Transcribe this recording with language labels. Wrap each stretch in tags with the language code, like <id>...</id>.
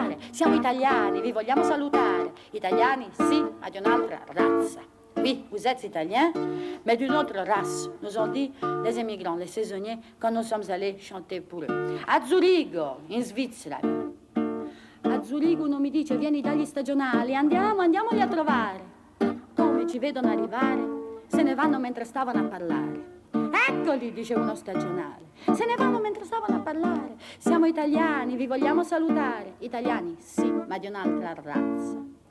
<it>Siamo italiani, vi vogliamo salutare. Italiani, sì, ma di un'altra razza.</it> <fr>Oui, vous êtes italien, mais d'une autre race, nous ont dit les immigrants, les saisonniers, quand nous sommes allés chanter pour eux.</fr> <it>A Zurigo, in Svizzera. A Zurigo uno mi dice, vieni dagli stagionali, andiamo, andiamoli a trovare. Come ci vedono arrivare, se ne vanno mentre stavano a parlare. Eccoli, dice uno stagionale, se ne vanno mentre stavano a parlare. Siamo italiani, vi vogliamo salutare. Italiani, sì, ma di un'altra razza.</it>